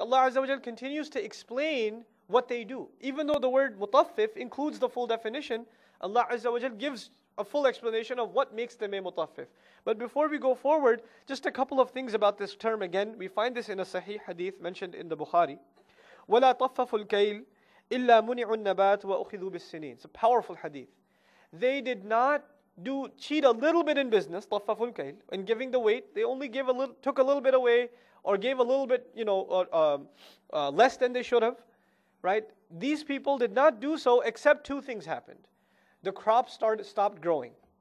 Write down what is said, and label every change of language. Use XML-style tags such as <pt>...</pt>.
<en>Allah Azza wa Jalla continues to explain what they do, even though the word mutaffif includes the full definition. Allah Azza wa Jalla gives a full explanation of what makes them a mutaffif. But before we go forward, just a couple of things about this term again. We find this in a sahih hadith mentioned in the Bukhari.</en> <ar>وَلَا طَفَّفُ الْكَيْلِ إِلَّا مُنِعُ النَّبَاتِ وَأُخِذُوا بِالسِّنِينَ</ar> <en>It's a powerful hadith. They did not do cheat a little bit in business,</en> <ar>طَفَّفُ الْكَيْلِ,</ar> <en>in giving the weight. They only gave a little, took a little bit away, or gave a little bit, you know, less than they should have, right? These people did not do so except two things happened. The crops stopped growing.</en>